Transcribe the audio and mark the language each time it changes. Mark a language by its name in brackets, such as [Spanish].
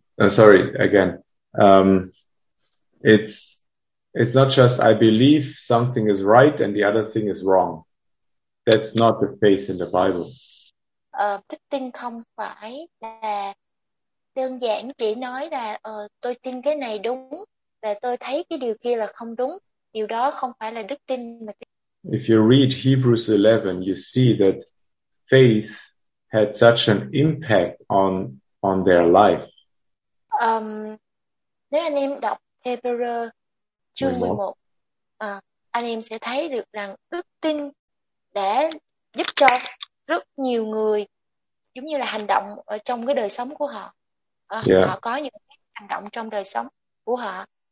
[English] Sorry again. It's not just I believe something is right and the other thing is wrong. That's not the faith in the Bible. [Vietnamese] Đức tin không phải là đơn giản chỉ nói là tôi tin cái này đúng và tôi thấy cái điều kia là không đúng. Điều đó không phải là đức tin mà. [English] If you read Hebrews 11, you see that faith had such an impact on their life. [Vietnamese] Nếu anh em đọc Hebrew chương 11. 11, anh em sẽ thấy được rằng đức tin đã giúp cho rất nhiều người giống như là hành động ở trong cái đời sống của họ. [English] Yeah. [Vietnamese] Họ có những hành động trong đời sống của họ.